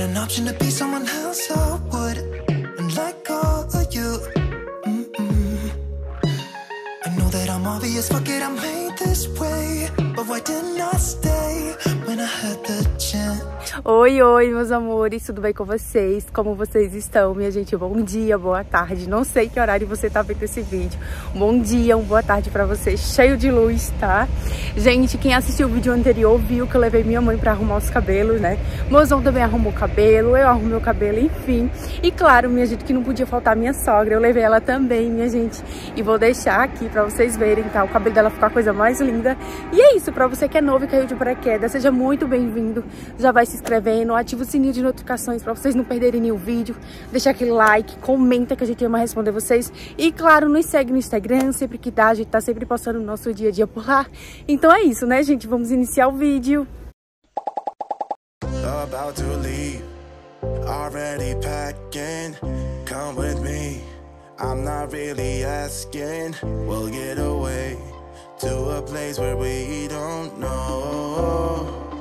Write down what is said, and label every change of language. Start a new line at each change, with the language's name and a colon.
English: To be someone else, I would, and like all of you. I know that I'm obvious, fuck it, I made this way. But why didn't I stay when I had the chance?
Portuguese: Oi, oi, meus amores, tudo bem com vocês? Como vocês estão, minha gente? Bom dia, boa tarde, não sei que horário você tá vendo esse vídeo. Bom dia, uma boa tarde pra vocês, cheio de luz, tá? Gente, quem assistiu o vídeo anterior viu que eu levei minha mãe pra arrumar os cabelos, né? Mozão também arrumou o cabelo, eu arrumei o cabelo, enfim. E claro, minha gente, que não podia faltar minha sogra, eu levei ela também, minha gente. E vou deixar aqui pra vocês verem, tá? O cabelo dela ficou a coisa mais linda. E é isso, pra você que é novo e caiu de paraquedas, seja muito bem-vindo, já vai se inscrevendo, ativa o sininho de notificações pra vocês não perderem nenhum vídeo, deixa aquele like, comenta que a gente ama responder vocês e claro, nos segue no Instagram, sempre que dá, a gente tá sempre postando o nosso dia a dia por lá, então é isso, né gente, vamos iniciar o vídeo.
English: About to leave, already packing, come with me, I'm not really asking, we'll get away, to a place where we don't know.